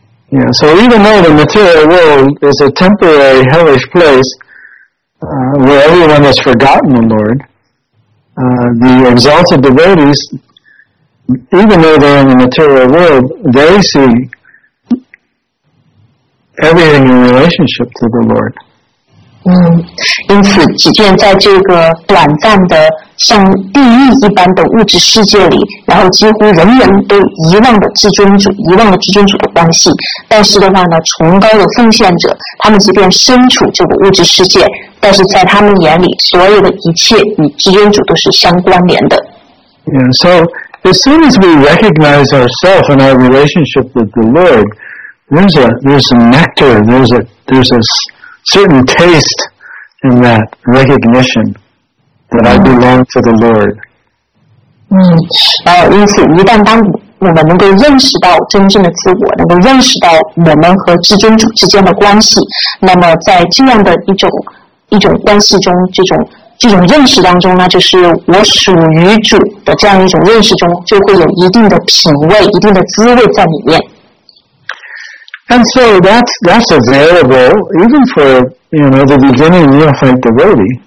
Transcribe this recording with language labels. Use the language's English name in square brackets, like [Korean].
[English] Yeah, so even though the material world is a temporary hellish place, where everyone has forgotten the Lord, the exalted devotees. Even though they're in the material world, they see everything in relationship to the Lord. [Chinese] 嗯，因此，即便在这个短暂的像地狱一般的物质世界里，然后几乎人人都遗忘了至尊主，遗忘了至尊主的关系。但是的话呢，崇高的奉献者，他们即便身处这个物质世界，但是在他们眼里，所有的一切与至尊主都是相关联的。 [English] And so, as soon as we recognize ourselves and our relationship with the Lord, there's a nectar, there's a certain taste in that recognition that I belong to the Lord. [Chinese] 嗯，因此一旦当我们能够认识到真正的自我，能够认识到我们和至尊主之间的关系，那么在这样的一种关系中，这种认识当中呢，就是我属于主的这样一种认识中，就会有一定的品味，一定的滋味在里面。 [English] And so that's available even for, you know, the beginning neophyte devotee.